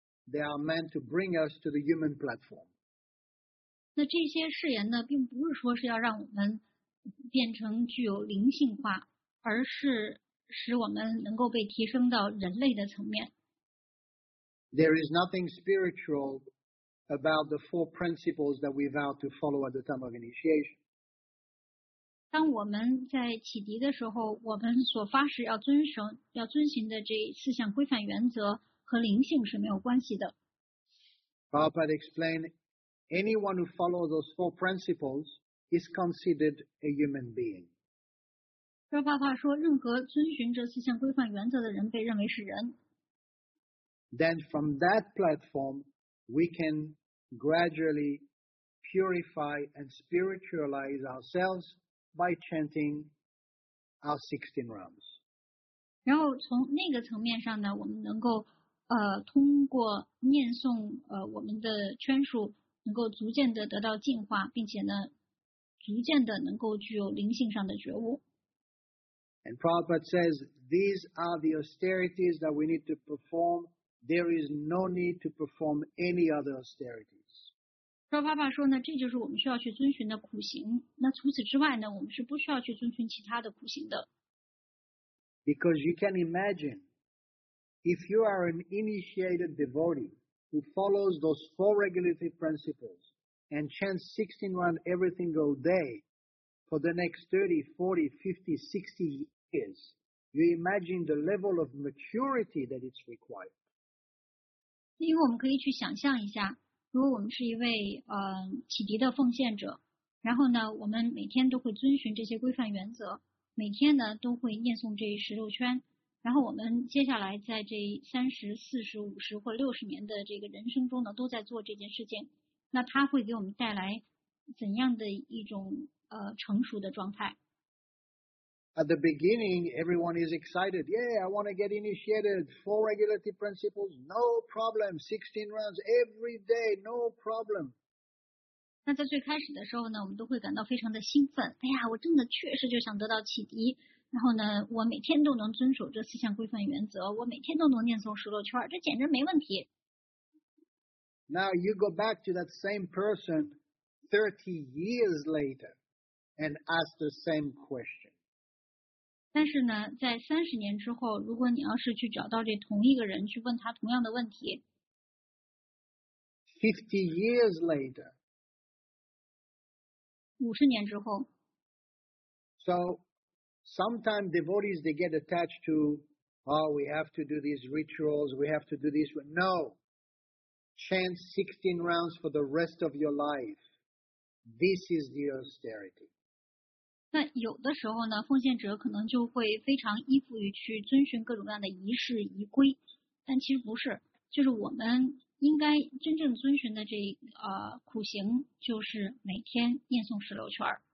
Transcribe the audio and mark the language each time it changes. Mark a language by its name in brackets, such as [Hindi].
[English] They are meant to bring us to the human platform. [Chinese] 那这些誓言呢，并不是说是要让我们变成具有灵性化，而是使我们能够被提升到人类的层面。 [English] There is nothing spiritual about the four principles that we vow to follow at the time of initiation. [Chinese] 当我们在启迪的时候，我们所发誓要遵守、要遵循的这四项规范原则和灵性是没有关系的。 [English] Prabhupada explained, anyone who follows those four principles is considered a human being. [Chinese] 说爸爸说，任何遵循这四项规范原则的人被认为是人。 [English] Then from that platform, we can gradually purify and spiritualize ourselves by chanting our 16 rounds. [Chinese] 然后从那个层面上呢，我们能够通过念诵我们的圈数，能够逐渐的得到净化，并且呢，逐渐的能够具有灵性上的觉悟。 [English] And Prabhupada says these are the austerities that we need to perform. There is no need to perform any other austerities. [Chinese] Prabhupada 说呢，这就是我们需要去遵循的苦行。那除此之外呢，我们是不需要去遵循其他的苦行的。 [English] Because you can imagine, if you are an initiated devotee who follows those four regulative principles and chants 16 rounds every single day for the next 30, 40, 50, 60 years, you imagine the level of maturity that is required. [Chinese] 因为我们可以去想象一下，如果我们是一位启迪的奉献者，然后呢，我们每天都会遵循这些规范原则，每天呢都会念诵这十六圈，然后我们接下来在这三十、四十、五十或六十年的这个人生中呢，都在做这件事情，那它会给我们带来怎样的一种成熟的状态 [English] ？At the beginning, everyone is excited. Yeah, I want to get initiated. Four regulative principles, no problem. 16 rounds every day, no problem. [Chinese] 那在最开始的时候呢，我们都会感到非常的兴奋。哎呀，我真的确实就想得到启迪。然后呢，我每天都能遵守这四项规范原则，我每天都能念诵十六圈，这简直没问题。 [English] Now you go back to that same person 30 years later and ask the same question. [Chinese] 但是呢，在三十年之后，如果你要是去找到这同一个人去问他同样的问题 [English] ，50 years later， [Chinese] 五十年之后 [English] ，So sometimes devotees they get attached to, oh, we have to do these rituals, we have to do this. No. Chant 16 rounds for the rest of your life. This is the austerity. [Chinese] 那有的时候呢，奉献者可能就会非常依附于去遵循各种各样的仪式仪规，但其实不是，就是我们应该真正遵循的这苦行，就是每天念诵十六圈。